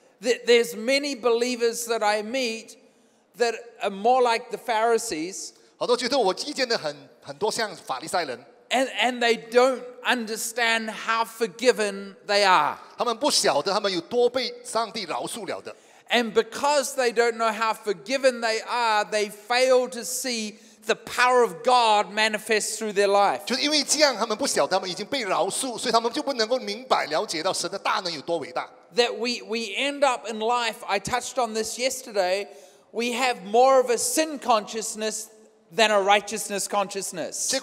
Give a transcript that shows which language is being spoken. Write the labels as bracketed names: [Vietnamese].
[English] There's many believers that I meet that are more like the Pharisees. [Chinese] 好多基督徒我遇见的很多像法利赛人。 [English] And they don't understand how forgiven they are. [Chinese] 他们不晓得他们有多被上帝饶恕了的。 [English] And because they don't know how forgiven they are, they fail to see the power of God manifest through their life. [Chinese] 就因为这样，他们不晓得他们已经被饶恕，所以他们就不能够明白了解到神的大能有多伟大。 [English] That we end up in life, I touched on this yesterday, we have more of a sin consciousness than a righteousness consciousness.